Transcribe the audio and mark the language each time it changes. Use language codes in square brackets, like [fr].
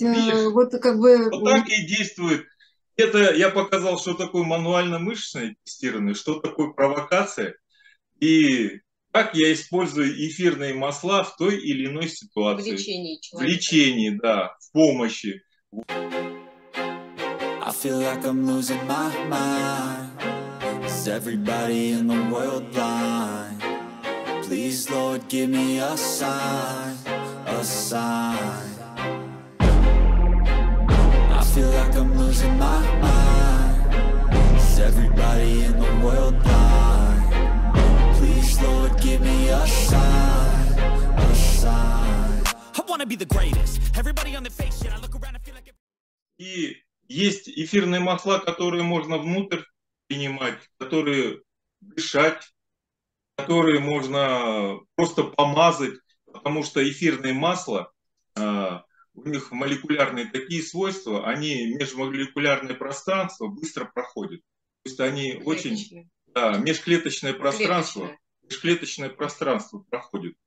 [ru] видишь, вот как бы... Вот так и действует. Это я показал, что такое мануально-мышечное тестирование, что такое провокация, и как я использую эфирные масла в той или иной ситуации. В лечении человека. В лечении, да, в помощи. [en] I feel like I'm losing my mind. Is everybody in the world blind? Please, Lord, give me a sign, a sign. I feel like I'm losing my mind. Is everybody in the world blind? Please, Lord, give me a sign, a sign. I wanna be the greatest. Everybody on the face, shit, I look around and feel like [ru] Есть эфирные масла, которые можно внутрь принимать, которые дышать, которые можно просто помазать, потому что эфирное масло, у них молекулярные такие свойства, они межмолекулярное пространство быстро проходит. То есть они очень... Да, межклеточное пространство проходит.